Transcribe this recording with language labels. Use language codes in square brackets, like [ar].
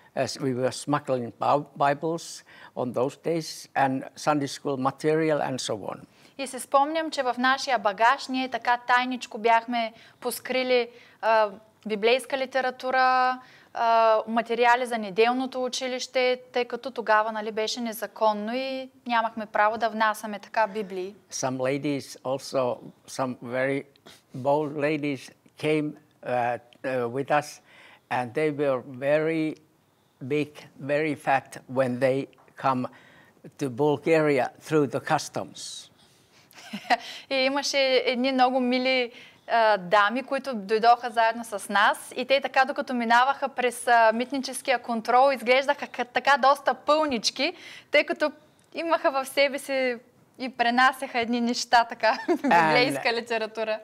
[en] As we were smuggling Bibles on those days and Sunday school material and so on. [bg] И се спомням, че в нашия багаж ние така тайничко бяхме поскрили библейска литература, материали за неделното училище, тъй като тогава, нали, беше незаконно и нямахме право да внасяме така библии. [en] Some ladies also, some very bold ladies came with us and they were very big, very fat when they come to Bulgaria through the customs. [bg] И имаше едни много мили дами, които дойдоха заедно с нас и те така, докато минаваха през митническия контрол, изглеждаха така доста пълнички, тъй като имаха в себе си и пренасяха едни неща така, библейска литература.